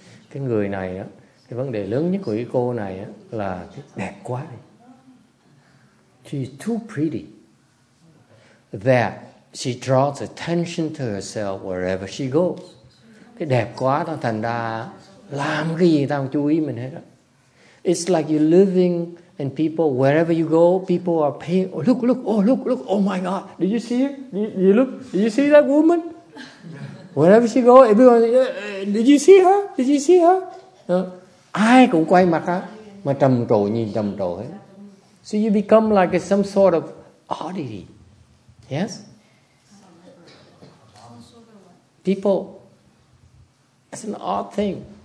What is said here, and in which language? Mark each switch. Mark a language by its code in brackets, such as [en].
[vi] Cái người này á, cái vấn đề lớn nhất của cái cô này á là cái đẹp quá đi. [en] She's too pretty that she draws attention to herself wherever she goes. [vi] Cái đẹp quá đó thành ra làm cái gì tao chú ý mình hết á. [en] It's like you're living and people wherever you go, people are paying. Oh, look, look, oh, look, look, oh my God. Did you see it? You look, did you see that woman? Wherever she go, everyone, did you see her? Did you see her? [vi] Ai cũng quay mặt á, mà trầm trồ nhìn trầm trồ ấy. [en] So you become like some sort of oddity. Yes? People, it's an odd thing.